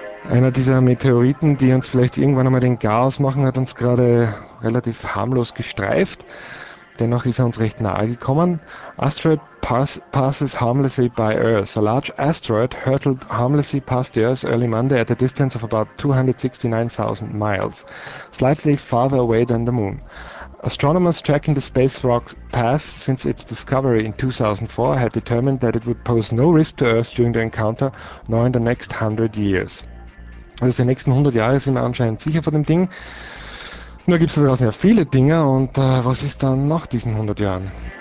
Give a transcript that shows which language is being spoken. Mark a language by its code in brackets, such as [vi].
[de] Einer dieser Meteoriten, die uns vielleicht irgendwann einmal den Chaos machen, hat uns gerade relativ harmlos gestreift. Dennoch ist er uns recht nahe gekommen. [en] Asteroid passes harmlessly by Earth. A large asteroid hurtled harmlessly past the Earth early Monday at a distance of about 269,000 miles, slightly farther away than the Moon. Astronomers tracking the space rock pass since its discovery in 2004 had determined that it would pose no risk to Earth during the encounter, nor in the next 100 years. [de] Also die nächsten 100 Jahre sind wir anscheinend sicher vor dem Ding. Nur gibt es da draußen ja viele Dinge und was ist dann nach diesen 100 Jahren?